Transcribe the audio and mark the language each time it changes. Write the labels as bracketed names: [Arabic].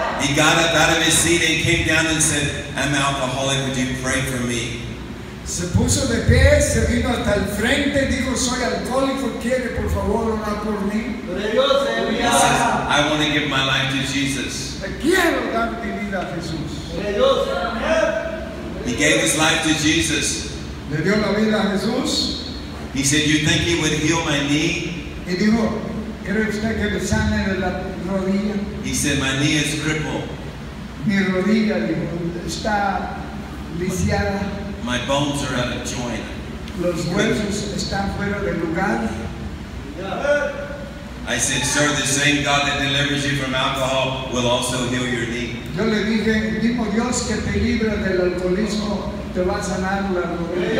[English] He got up out of his seat and came down and said, I'm an alcoholic, would you pray for me? [Spanish] Se puso de pie, se vino hasta el frente, dijo, soy alcohólico, ¿quiere por favor orar por mí? [English] I want to give my life to Jesus. [Spanish] Quiero dar mi vida a Jesús. [English] He gave his life to Jesus. [Spanish] Le dio la vida a Jesús. [English] He said, you think he would heal my knee? [Spanish] Y dijo, ¿cree usted que me sane de la rodilla? [English] He said, my knee is crippled. [Spanish] Mi rodilla, dijo, está lisiada. [English] My bones are out of joint. [Spanish] Los huesos están fuera de lugar. [English] I said, sir, the same God that delivers you from alcohol will also heal your knee. [Spanish] Yo le dije, mismo Dios que te libra del alcoholismo te va a sanar la rodilla.